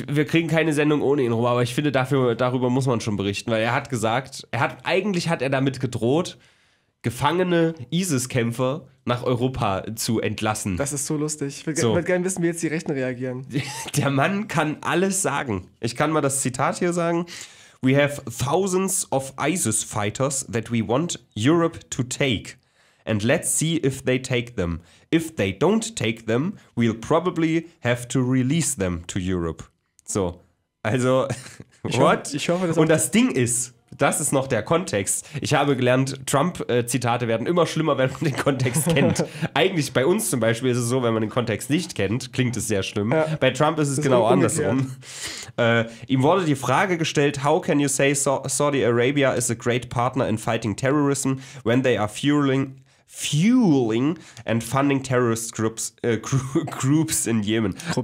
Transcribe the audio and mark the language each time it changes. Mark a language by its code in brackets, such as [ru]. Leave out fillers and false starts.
[de] Wir kriegen keine Sendung ohne ihn rum. Aber ich finde, darüber muss man schon berichten. Weil er hat gesagt, eigentlich hat er damit gedroht, gefangene ISIS-Kämpfer nach Europa zu entlassen. Das ist so lustig. Ich würde gerne wissen, wie jetzt die Rechten reagieren. Der Mann kann alles sagen. Ich kann mal das Zitat hier sagen. [en] We have thousands of ISIS fighters that we want Europe to take. And let's see if they take them. If they don't take them, we'll probably have to release them to Europe. So, also, what? [de] Ich hoffe, das. Und das Ding ist, das ist noch der Kontext. Ich habe gelernt, Trump-Zitate werden immer schlimmer, wenn man den Kontext kennt. Eigentlich bei uns zum Beispiel ist es so, wenn man den Kontext nicht kennt, klingt es sehr schlimm. Ja. Bei Trump ist es genau andersrum. Ihm wurde die Frage gestellt, [en] how can you say Saudi Arabia is a great partner in fighting terrorism when they are fueling and funding terrorist groups in Yemen? Groups.